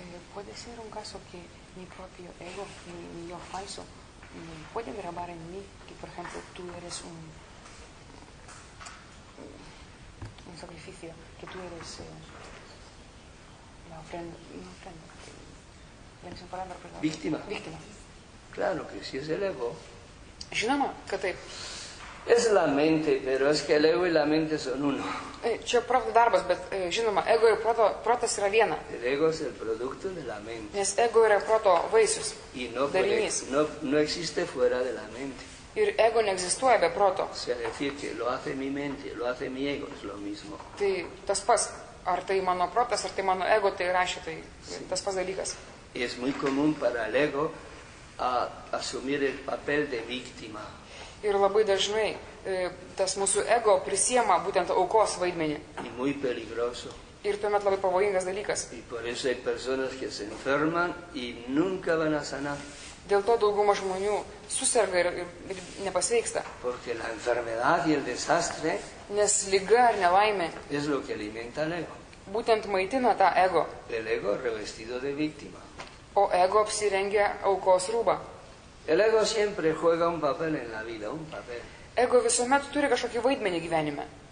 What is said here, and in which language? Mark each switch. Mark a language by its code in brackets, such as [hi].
[es] Puede ser un caso que mi propio ego, mi yo falso, puede grabar en mí que, por ejemplo, tú eres un sacrificio, que tú eres la ofrenda, no ofrenda, la misma palabra, perdón. Víctima. Víctima. Claro que si es el ego. [lt] Žinoma, [es] que [lt] taip. [es] Es la mente, pero es que el ego y la mente son uno. [lt] Čia proto darbas, bet žinoma, ego ir protas yra viena. [es] El ego es el producto de la mente. [lt] Nes ego yra proto vaisius, darinys. [es] No existe fuera de la mente. [lt] Ir ego neegzistuoja be proto. [es] Se decir que lo hace mi mente, lo hace mi ego, es lo mismo. [lt] Tai tas pas, ar tai mano protas, ar tai mano ego, tai rašė, tai tas pats dalykas. [es] Es muy común para el ego a asumir el papel de víctima. [lt] Ir labai dažnai tas mūsų ego prisiema būtent aukos vaidmenį. [es] Y muy peligroso. [lt] Ir tuomet labai pavojingas dalykas. [es] Y por eso hay personas que se enferman y nunca van a sanar. [lt] Dėl to dauguma žmonių suserga ir nepasveiksta. [es] Porque la enfermedad y el desastre [lt] nes liga ar nelaimė [es] es lo que alimenta el ego. [lt] Būtent maitina tą ego. [es] El ego revestido de víctima. [lt] O ego apsirengia aukos rūbą. [es] El ego siempre juega un papel en la vida, un papel. [lt] Ego visuomet turi kažkokį vaidmenį gyvenime.